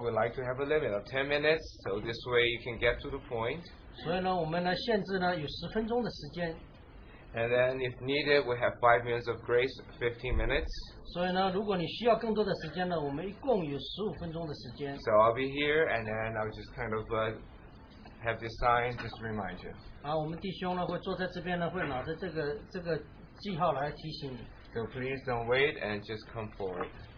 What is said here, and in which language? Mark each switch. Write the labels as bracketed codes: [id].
[en] we'd like to have a limit of 10 minutes, so this way you can get to the point. [zh] 所以呢，我们呢，限制呢，有10分钟的时间。 [en] And then, if needed, we have 5 minutes of grace, 15 minutes. [zh] 所以呢，如果你需要更多的时间呢，我们一共有15分钟的时间。 [en] So I'll be here, and then I'll just kind of have this sign just to remind you. [zh] 我们弟兄呢会坐在这边呢，会拿着这个记号来提醒你。 [en] So please don't wait and just come forward.